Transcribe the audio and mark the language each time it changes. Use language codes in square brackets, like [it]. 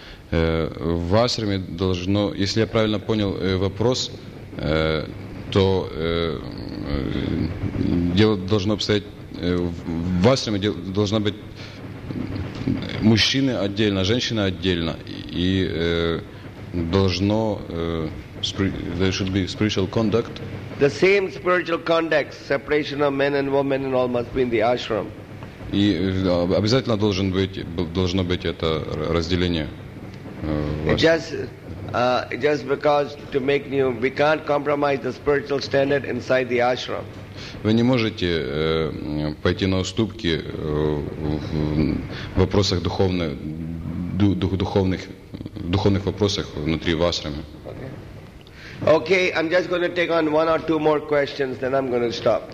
[ru] В ашраме должно, если я правильно понял вопрос, то дело должно обстоять в ашраме должна быть мужчины отдельно, женщины отдельно, и должно [en] there should be spiritual conduct. The same spiritual conduct, separation of men and women and all must be in the ashram. [ru] И обязательно должно быть это разделение. [en] Just because to make new, we can't compromise the spiritual standard inside the ashram. [ru] Вы не можете пойти на уступки в вопросах духовных вопросах внутри ашрама. [en] Okay, I'm just going to take on one or two more questions, then I'm going to stop.